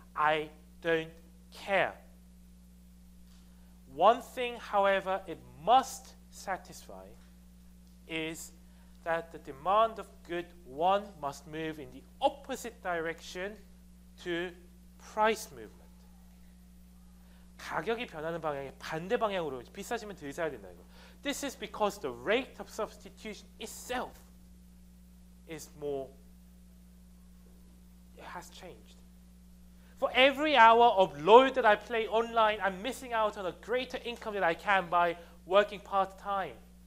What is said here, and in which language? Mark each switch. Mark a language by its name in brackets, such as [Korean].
[English] I don't care. One thing, however, it must satisfy is that the demand of good one must move in the opposite direction to price movement. [Korean] 가격이 변하는 방향에 반대 방향으로 비싸지면 덜 사야 된다 이거. [English] This is because the rate of substitution itself is more, it has changed. For every hour of load that I play online, I'm missing out on a greater income than I can by working part-time.